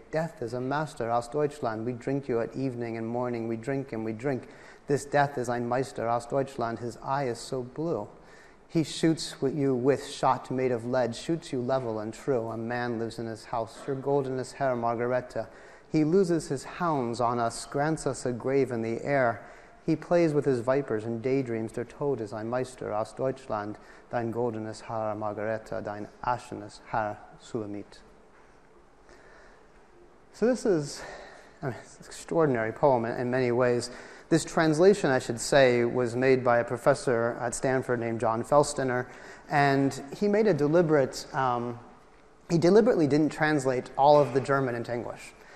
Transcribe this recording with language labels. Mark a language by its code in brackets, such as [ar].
[en] Death is a master [de] aus Deutschland, [en] we drink you at evening and morning, we drink and we drink. This death is [de] ein Meister aus Deutschland, [en] his eye is so blue. He shoots with you with shot made of lead, shoots you level and true. A man lives in his house, your goldenest hair, Margareta. He loses his hounds on us, grants us a grave in the air. He plays with his vipers and daydreams, [de] der Tod ist ein Meister aus Deutschland, dein goldenes Haar, Margareta, dein aschenes Haar, Sulamit. [en] So this is an extraordinary poem in many ways. This translation, I should say, was made by a professor at Stanford named John Felstiner, and he made a deliberate, he deliberately didn't translate all of the German into English.